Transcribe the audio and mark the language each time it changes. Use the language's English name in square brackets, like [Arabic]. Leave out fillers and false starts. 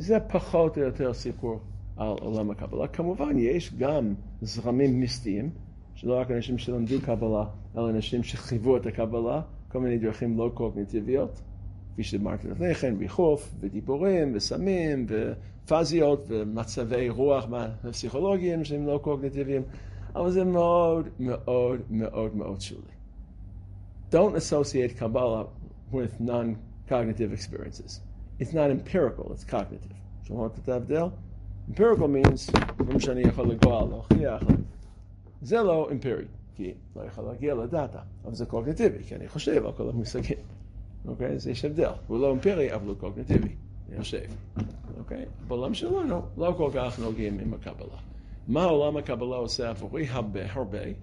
[Hebrew] זה פחות או יותר סיפור על עולם הקבלה. כמובן, יש גם זרמים מיסטיים, שלא רק אנשים שלמדו קבלה, אלא אנשים שחיוו את הקבלה, כל מיני דרכים לא קוגניטיביות, כפי שאמרתי לפני כן, ריחוף, ודיבורים, וסמים, ופזיות, ומצבי רוח פסיכולוגיים שהם לא קוגניטיביים, אבל זה מאוד, מאוד, מאוד, מאוד שולי. [English] Don't associate קבלה with non-cognitive experiences. It's not empirical, it's cognitive. [Hebrew] שומעות את ההבדל? [English] Empirical means, [Hebrew] כמו שאני יכול לגוע להוכיח, זה לא אמפירי, כי לא יכול להגיע לדאטה, אבל זה קוגניטיבי, כי אני חושב על כל המושגים. אוקיי? זה יש הבדל. הוא לא אמפירי, אבל הוא קוגניטיבי. אני חושב. אוקיי? בעולם שלנו לא כל כך נוגעים עם הקבלה. מה עולם הקבלה עושה עבורי? הרבה, הרבה.